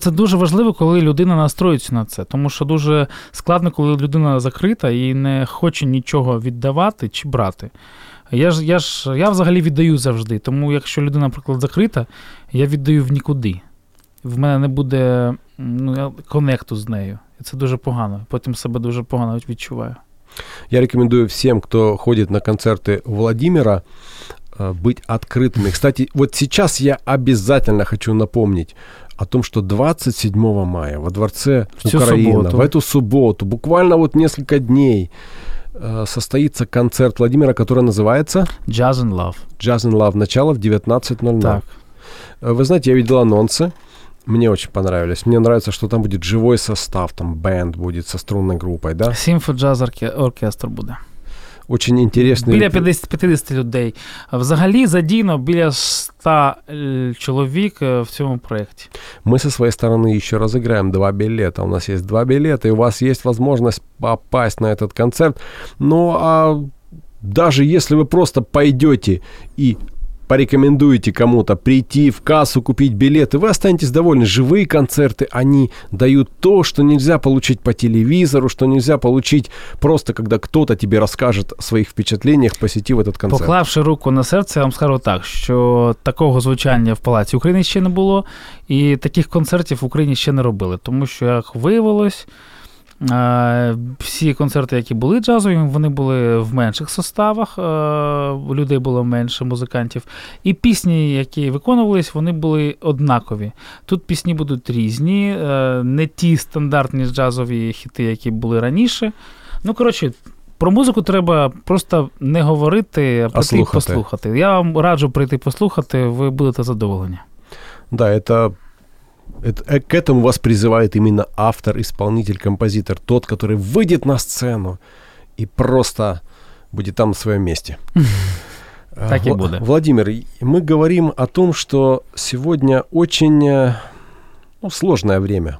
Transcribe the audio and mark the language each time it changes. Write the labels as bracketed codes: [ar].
[uk] Це дуже важливо, коли людина настроїться на це. Тому що дуже складно, коли людина закрита і не хоче нічого віддавати чи брати. Я взагалі віддаю завжди. Тому якщо людина, наприклад, закрита, я віддаю в нікуди. В мене не буде коннекту з нею. Це дуже погано. Потім себе дуже погано відчуваю. [ru] Я рекомендую всем, кто ходит на концерты Владимира, быть открытыми. Кстати, вот сейчас я обязательно хочу напомнить о том, что 27 мая во Дворце Украина, в эту субботу, буквально вот несколько дней, состоится концерт Владимира, который называется... [en] Jazz and Love. [ru] Jazz and Love. Начало в 19:00. Так. Вы знаете, я видел анонсы. Мне очень понравилось. Мне нравится, что там будет живой состав, там бэнд будет со струнной группой, да? Симфо-джаз оркестр будет. Очень интересный. [uk] Біля 50 людей. Взагалі задійно біля 100 чоловік в цьому проєкті. Ми зі своєї сторони ще розіграємо два білети. У нас є два білети, і у вас є можливість [ru] попасть на этот концерт. Ну, а даже если вы просто пойдете и порекомендуете кому-то прийти в кассу, купить билеты, вы останетесь довольны. Живые концерты, они дают то, что нельзя получить по телевизору, что нельзя получить просто, когда кто-то тебе расскажет о своих впечатлениях, посетив этот концерт. [uk] Поклавши руку на серце, я вам скажу так, що такого звучання в Палаці України ще не було, і таких концертів в Україні ще не робили. Тому що, як виявилось, всі концерти, які були джазові, вони були в менших составах, людей було менше, музикантів. І пісні, які виконувались, вони були однакові. Тут пісні будуть різні, не ті стандартні джазові хіти, які були раніше. Ну, коротше, про музику треба просто не говорити, а прийти слухати. Послухати. Я вам раджу прийти послухати, ви будете задоволені. [ru] Да, это... к этому вас призывает именно автор, исполнитель, композитор, тот, который выйдет на сцену и просто будет там на своем месте. Так и будет. Владимир, мы говорим о том, что сегодня очень сложное время.